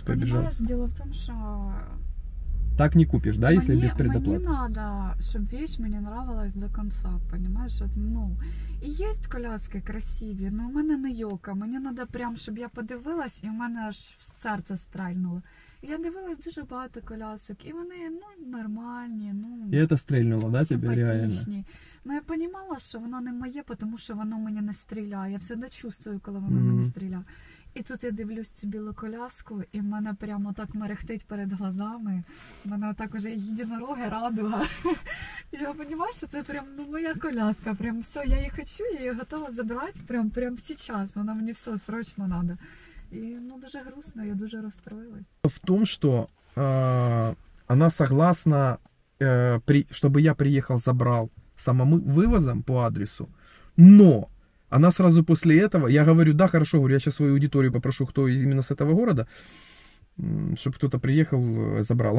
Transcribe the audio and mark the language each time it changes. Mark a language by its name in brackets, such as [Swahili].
[Russian] Понимаешь, дело в том, что... Так не купишь, да, если без предоплаты? Мне надо, чтобы вещь мне нравилась до конца, понимаешь? Вот, ну, и есть коляски красивые, но у меня не ёлка. Мне надо прям, чтобы я подивилась, и у меня аж в сердце стрельнуло. [Ukrainian] Я дивилась дуже багато колясок, і вони, ну, нормальні, ну, і це стрельнуло, да, тебе реально? Ну, я розуміла, що воно не моє, тому що воно мені не стріляє. Я завжди чувствую, коли воно мені стріляє. І тут я дивлюсь цю білу коляску, і в мене прямо так мерехтить перед глазами. В мене так уже єдинороги, радуга. Я розумію, що це прям, ну, моя коляска. Прям все, я її хочу, я її готова забрати прям зараз. Вона мені все, срочно треба. [Russian] И, ну, даже грустно, я даже расстроилась. В том, что она согласна, чтобы я приехал, забрал самым вывозом по адресу, но она сразу после этого, я говорю, да, хорошо, говорю, я сейчас свою аудиторию попрошу, кто именно с этого города, чтобы кто-то приехал, забрал.